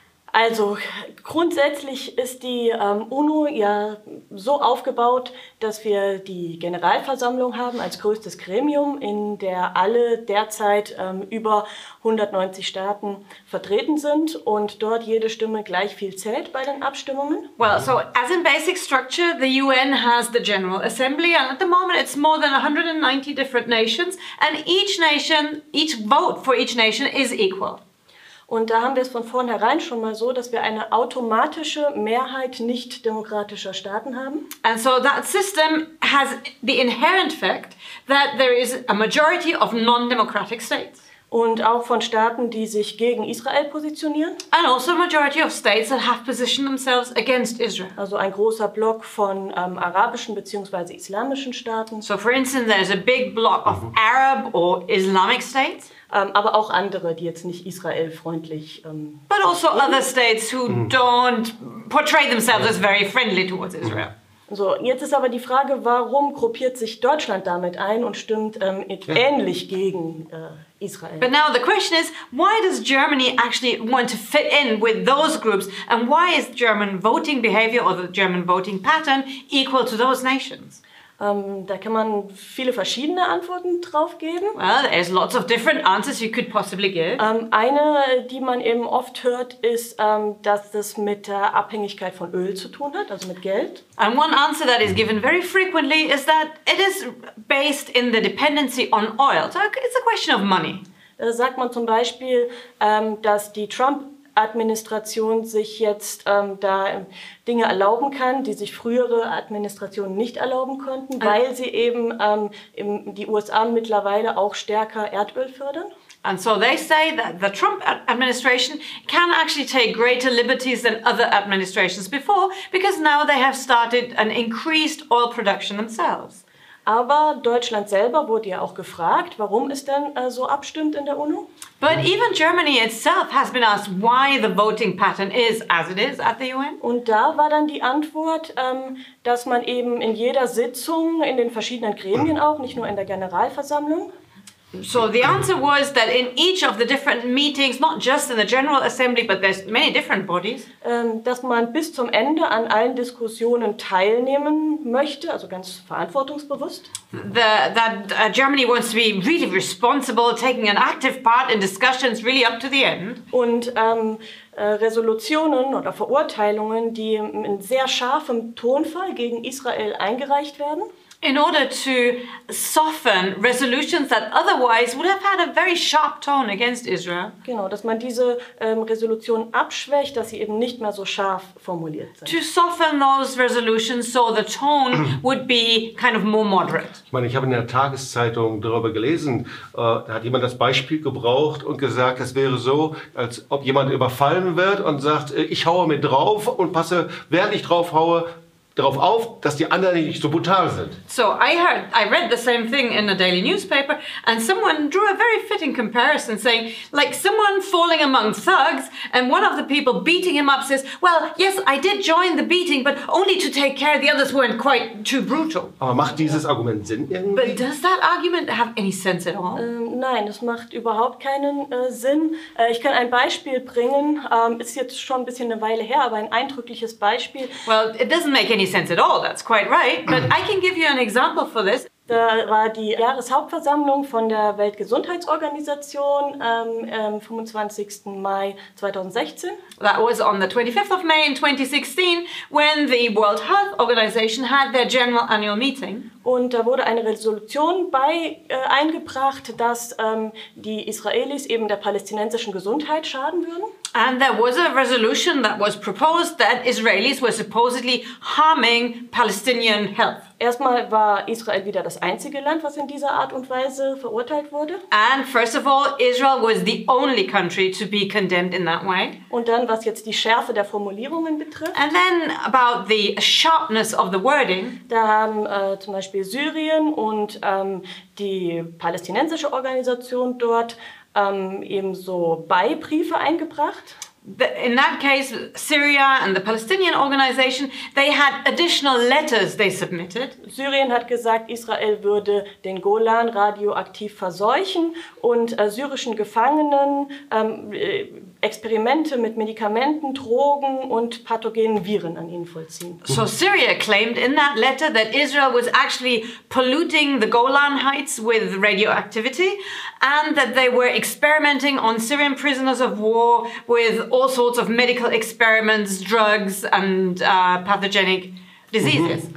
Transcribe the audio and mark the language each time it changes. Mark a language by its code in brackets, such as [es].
[de] Also grundsätzlich ist die UNO ja so aufgebaut, dass wir die Generalversammlung haben als größtes Gremium, in der alle derzeit über 190 Staaten vertreten sind und dort jede Stimme gleich viel zählt bei den Abstimmungen. [en] Well, so as in basic structure, the UN has the General Assembly and at the moment it's more than 190 different nations and each nation, each vote for each nation is equal. [de] Und da haben wir es von vornherein schon mal so, dass wir eine automatische Mehrheit nicht demokratischer Staaten haben. [en] And so that system has the inherent fact that there is a majority of non-democratic states. [de] Und auch von Staaten, die sich gegen Israel positionieren. [en] And also a majority of states that have positioned themselves against Israel. [de] Also ein großer Block von arabischen bzw. islamischen Staaten. [en] So for instance, there is a big block of Arab or Islamic states. [de] Aber auch andere, die jetzt nicht israelfreundlich. [en] But also other states who don't portray themselves as very friendly towards Israel. [de] So, jetzt ist aber die Frage, warum gruppiert sich Deutschland damit ein und stimmt ähnlich gegen Israel? [en] But now the question is, why does Germany actually want to fit in with those groups and why is German voting behavior or the German voting pattern equal to those nations? [de] Da kann man viele verschiedene Antworten drauf geben. [en] Well, there's lots of different answers you could possibly give. [de] Eine, die man eben oft hört, ist, dass das mit der Abhängigkeit von Öl zu tun hat, also mit Geld. [en] And one answer that is given very frequently is that it is based in the dependency on oil. So it's a question of money. [de] Da sagt man zum Beispiel, dass die Trump-Administration sich jetzt da Dinge erlauben kann, die sich frühere Administrationen nicht erlauben konnten, weil sie eben die USA mittlerweile auch stärker Erdöl fördern. [en] And so they say that the Trump administration can actually take greater liberties than other administrations before, because now they have started an increased oil production themselves. [de] Aber Deutschland selber wurde ja auch gefragt, warum es denn so abstimmt in der UNO. [en] But even Germany itself has been asked why the voting pattern is as it is at the UN. [de] Und da war dann die Antwort, dass man eben in jeder Sitzung, in den verschiedenen Gremien auch, nicht nur in der Generalversammlung. [en] So the answer was that in each of the different meetings, not just in the General Assembly, but there's many different bodies. [de] Dass man bis zum Ende an allen Diskussionen teilnehmen möchte, also ganz verantwortungsbewusst. [en] That Germany wants to be really responsible, taking an active part in discussions really up to the end. [de] Und Resolutionen oder Verurteilungen, die in sehr scharfem Tonfall gegen Israel eingereicht werden. [en] in order to soften resolutions that otherwise would have had a very sharp tone against Israel. [de] Genau, dass man diese Resolutionen abschwächt, dass sie eben nicht mehr so scharf formuliert sind. [en] To soften those resolutions so the tone would be kind of more moderate. [de] Ich meine, ich habe in der Tageszeitung darüber gelesen, da hat jemand das Beispiel gebraucht und gesagt, es wäre so, als ob jemand überfallen wird und sagt, ich haue mir drauf und passe, während ich drauf haue, darauf auf, dass die anderen nicht so brutal sind. [en] So, I read the same thing in a daily newspaper and someone drew a very fitting comparison saying, like someone falling among thugs and one of the people beating him up says, well, yes, I did join the beating, but only to take care the others weren't quite too brutal. [de] Aber macht dieses Argument Sinn irgendwie? [en] But does that argument have any sense at all? [de] Nein, es macht überhaupt keinen Sinn. Ich kann ein Beispiel bringen, ist jetzt schon ein bisschen eine Weile her, aber ein eindrückliches Beispiel. [en] Well, it doesn't make any sense at all, that's quite right, but I can give you an example for this. [de] Da war die Jahreshauptversammlung von der Weltgesundheitsorganisation am 25. Mai 2016. [en] That was on the 25th of May in 2016, when the World Health Organization had their general annual meeting. [de] Und da wurde eine Resolution bei eingebracht, dass die Israelis eben der palästinensischen Gesundheit schaden würden. [en] And there was a resolution that was proposed that Israelis were supposedly harming Palestinian health. [de] Erstmal war Israel wieder das einzige Land, was in dieser Art und Weise verurteilt wurde. [en] And first of all, Israel was the only country to be condemned in that way. [de] Und dann, was jetzt die Schärfe der Formulierungen betrifft. [en] And then about the sharpness of the wording. [de] Da haben zum Beispiel Syrien und die palästinensische Organisation dort eben so Beibriefe eingebracht. [en] In that case, Syria and the Palestinian organization, they had additional letters they submitted. [de] Syrien hat gesagt, Israel würde den Golan radioaktiv verseuchen und syrischen Gefangenen Experimente mit Medikamenten, Drogen und pathogenen Viren an ihnen vollziehen. [en] So Syria claimed in that letter that Israel was actually polluting the Golan Heights with radioactivity and that they were experimenting on Syrian prisoners of war with all sorts of medical experiments, drugs and pathogenic diseases.